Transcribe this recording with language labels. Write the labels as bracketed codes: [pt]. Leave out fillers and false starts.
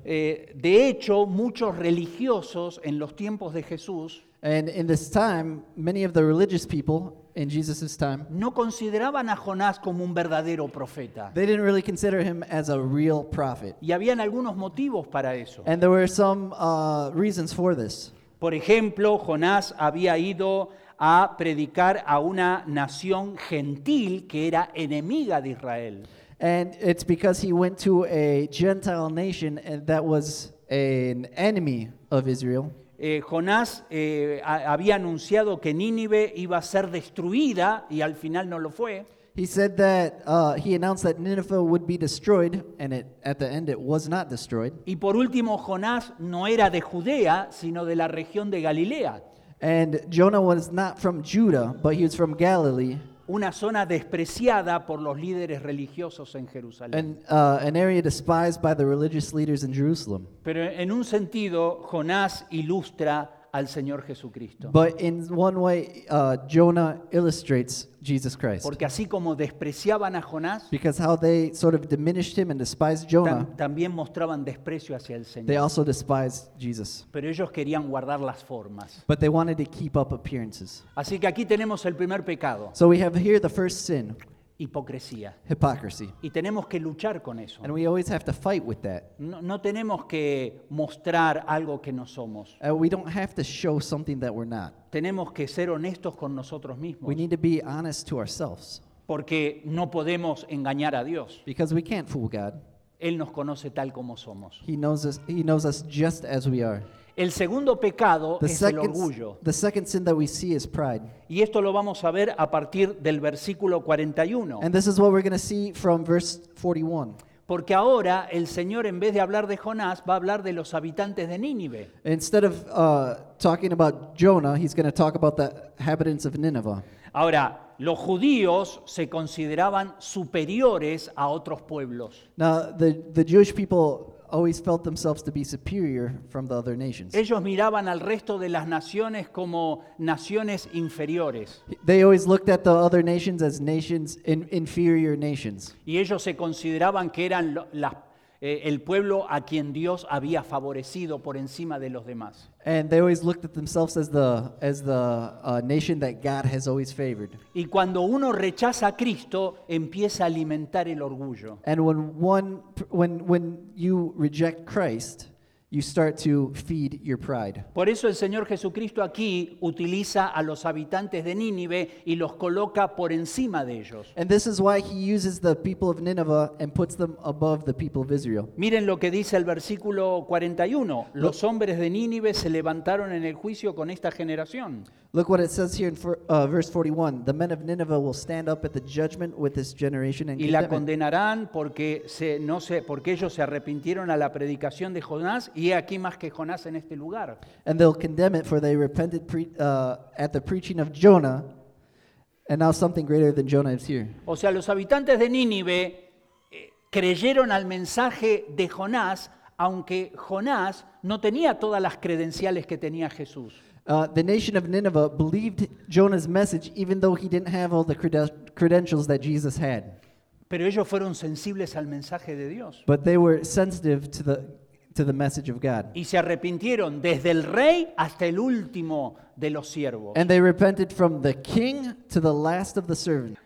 [es] De hecho, muchos religiosos en los tiempos de Jesús, [en] and in this time, many of the religious people in Jesus's time, [es] no consideraban a Jonás como un verdadero profeta. [en] They didn't really consider him as a real prophet. [es] Y habían algunos motivos para eso. [en] And there were some reasons for this. [es] Por ejemplo, Jonás había ido a predicar a una nación gentil que era enemiga de Israel. [en] And it's because he went to a Gentile nation and that was an enemy of Israel. [es] Jonás había anunciado que Nínive iba a ser destruida y al final no lo fue. [en] He said that he announced that Nineveh would be destroyed, and at the end it was not destroyed. [es] Y por último, Jonás no era de Judea, sino de la región de Galilea. [en] And Jonah was not from Judah, but he was from Galilee. [es] Una zona despreciada por los líderes religiosos en Jerusalén. [en] And, an area despised by the religious leaders in Jerusalem. [es] Pero en un sentido, Jonás ilustra al Señor Jesucristo. [en] But in one way, Jonah illustrates Jesus Christ. [es] Porque así como despreciaban a Jonás, [en] because how they sort of diminished him and despised Jonah, [es] también mostraban desprecio hacia el Señor. [en] They also despised Jesus. [es] Pero ellos querían guardar las formas. [en] But they wanted to keep up appearances. [es] Así que aquí tenemos el primer pecado. [en] So we have here the first sin. [es] Hipocresía. [en] Hypocrisy. [es] Y tenemos que luchar con eso. [en] And we always have to fight with that. [es] No tenemos que mostrar algo que no somos. [en] We don't have to show something that we're not. [es] Tenemos que ser honestos con nosotros mismos. [en] We need to be honest to ourselves. [es] Porque no podemos engañar a Dios. [en] Because we can't fool God. [es] Él nos conoce tal como somos. [en] He knows us just as we are. [es] El segundo pecado es el orgullo. [en] The second sin that we see is pride. [es] Y esto lo vamos a ver a partir del versículo 41. [en] And this is what we're going to see from verse 41. [es] Porque ahora el Señor, en vez de hablar de Jonás, va a hablar de los habitantes de Nínive. [en] Instead of talking about Jonah, he's going to talk about the inhabitants of Nineveh. [es] Ahora, los judíos se consideraban superiores a otros pueblos. [en] Now, the Jewish people always felt themselves to be superior from the other nations. [es] Ellos miraban al resto de las naciones como naciones inferiores. [en] They always looked at the other nations as nations inferior nations. [es] Y ellos se consideraban que eran el pueblo a quien Dios había favorecido por encima de los demás. [en] And they always looked at themselves as the nation that God has always favored. [es] Y cuando uno rechaza a Cristo, empieza a alimentar el orgullo. [en] And when you reject Christ, you start to feed your pride. [es] Por eso el Señor Jesucristo aquí utiliza a los habitantes de Nínive y los coloca por encima de ellos. [en] And this is why he uses the people of Nineveh and puts them above the people of Israel. [es] Miren lo que dice el versículo 41. Los hombres de Nínive se levantaron en el juicio con esta generación. [en] Look what it says here in verse 41. The men of Nineveh will stand up at the judgment with this generation and [es] y la condenarán porque ellos se arrepintieron a la predicación de Jonás. Y aquí más que Jonás en este lugar. [en] And they'll condemn it, for they repented at the preaching of Jonah, and now something greater than Jonah is here. [es] O sea, los habitantes de Nínive creyeron al mensaje de Jonás, aunque Jonás no tenía todas las credenciales que tenía Jesús. [en] The nation of Nineveh believed Jonah's message, even though he didn't have all the credentials that Jesus had. [es] Pero ellos fueron sensibles al mensaje de Dios. [en] But they were sensitive to the message of God. [es] Y se arrepintieron desde el rey hasta el último de los siervos. [en] And they repented from the king to the last of the servants.